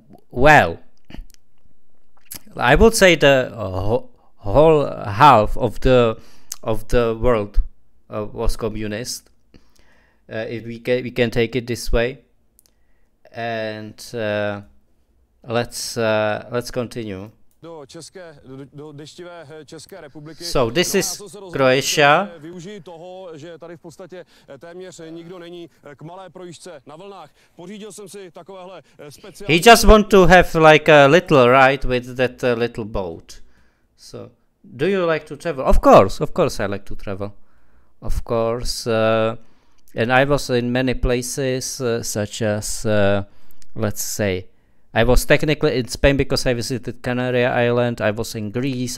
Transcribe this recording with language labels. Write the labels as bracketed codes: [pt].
[en] Well, I would say the whole half of the world was communist. If we can take it this way, and. Let's continue. [cs] Do deštivé České republiky. [en] So this is Croatia. [cs] Využiji toho, že tady v podstatě téměř nikdo není, k malé projížďce na vlnách. Pořídil jsem si takovéhle speciální. [en] He just want to have like a little ride with that little boat. So do you like to travel? Of course I like to travel. Of course, and I was in many places such as let's say I was technically in Spain because I visited Canary Island. I was in Greece.